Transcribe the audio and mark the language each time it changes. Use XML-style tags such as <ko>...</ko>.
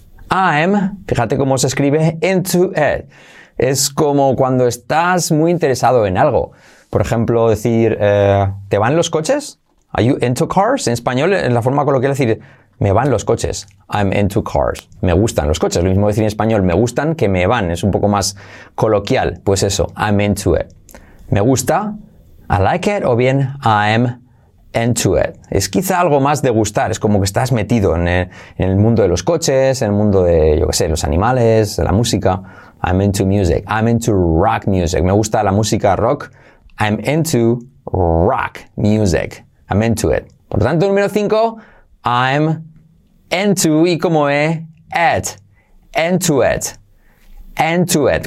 <en>I'm,</en> <es>fíjate cómo se escribe,</es> <en>into it.</en> <es>Es como cuando estás muy interesado en algo. Por ejemplo, decir, ¿te van los coches?</es> <en>Are you into cars?</en> <es>En español, en la forma coloquial, decir, me van los coches.</es> <en>I'm into cars.</en> <es>Me gustan los coches. Lo mismo decir en español, me gustan que me van. Es un poco más coloquial. Pues eso,</es> <en>I'm into it.</en> <es>Me gusta,</es> <en>I like it,</en> <es>o bien,</es> <en>I'm into it.</en> <es>Es quizá algo más de gustar, es como que estás metido en el mundo de los coches, en el mundo de, yo qué sé, los animales, la música.</es> <en>I'm into music. I'm into rock music.</en> <es>Me gusta la música rock.</es> <en>I'm into rock music. I'm into it.</en> <es>Por tanto, número 5,</es> <en>I'm into,</en> <es>y como E, at,</es> <en>into it, into it.</en>